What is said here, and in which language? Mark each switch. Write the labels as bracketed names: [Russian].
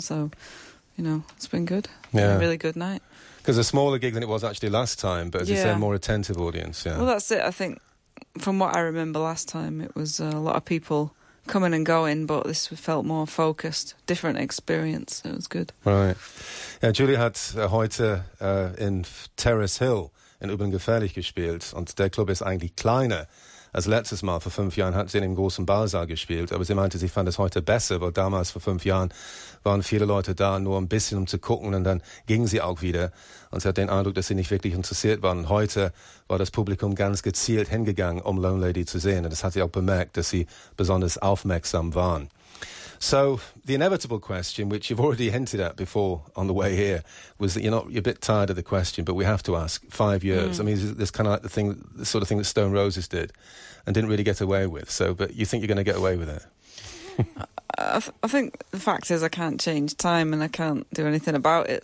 [English] So, you know, it's been good. Yeah. Been a really good night. Because a smaller gig than it was actually last time, but as you say, a more attentive audience. Yeah. Well, that's it. I think from what I remember last time, it was a lot of people coming and going, but this felt more focused, different experience. It was good. Right. [German] Yeah, Julie hat heute in Terrace Hill in Übengefährlich gespielt. Und der Club ist eigentlich kleiner als letztes Mal. Vor 5 Jahren hat sie in dem großen Ballsaal gespielt. Aber sie meinte, sie fand es heute besser, weil damals vor 5 Jahren waren viele Leute da, nur ein bisschen, um zu gucken. Und dann ging sie auch wieder. Und sie hat den Eindruck, dass sie nicht wirklich interessiert waren. Und heute war das Publikum ganz gezielt hingegangen, um Lone Lady zu sehen. Und das hat sie auch bemerkt, dass sie besonders aufmerksam waren. [English] So, the inevitable question, which you've already hinted at before on the way here, was that you're a bit tired of the question, but we have to ask. 5 years. Mm. I mean, this kind of like the sort of thing that Stone Roses did and didn't really get away with. So, but you think you're going to get away with it? I think the fact is I can't change time and I can't do anything about it.